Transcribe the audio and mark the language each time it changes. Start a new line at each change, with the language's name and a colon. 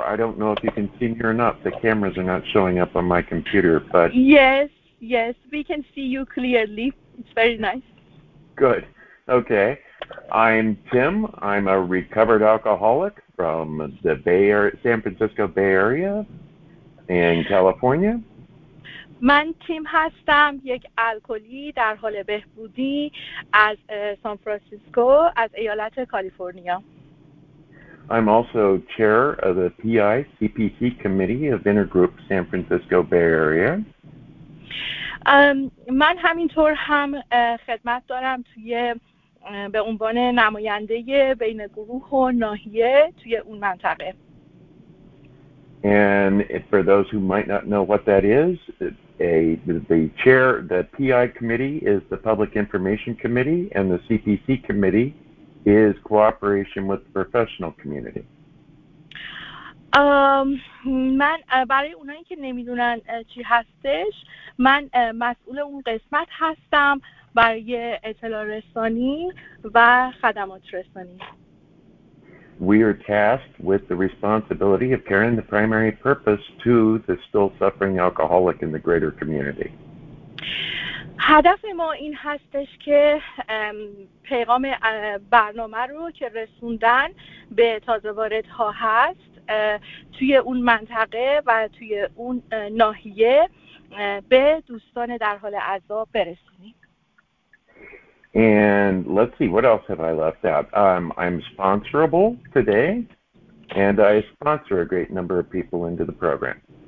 English: I don't know if you can see me or not. The cameras are not showing up on my computer, but... Yes, we can see you clearly. It's very nice. Good. Okay. I'm Tim. I'm a recovered alcoholic from the Bay Area, San Francisco Bay Area in California.
Persian: من تیم هستم، یک الکلی در حال بهبودی از سان فرانسیسکو، از ایالت کالیفرنیا.
English: I'm also chair of the PICPC committee of Intergroup San Francisco Bay Area.
Persian: من همینطور هم خدمت دارم توی به عنوان نماینده بین گروه و ناحیه توی اون منطقه.
English: And for those who might not know what that is, the chair, the PI committee is the Public Information Committee, and the CPC committee is cooperation with the professional community.
Persian: من برای اونایی که نمیدونن چی هستش، من مسئول اون قسمت هستم برای اطلاع رسانی و خدمات رسانی.
English: We are tasked with the responsibility of carrying the primary purpose to the still suffering alcoholic in the greater community.
Persian: هدف ما این هستش که پیغام برنامه رو که رسوندن به تازه واردها هست توی اون منطقه و توی اون ناحیه به دوستان در حال عذاب برسونیم.
English: And let's see, what else have I left out? I'm sponsorable today, and I sponsor a great number of people into the program.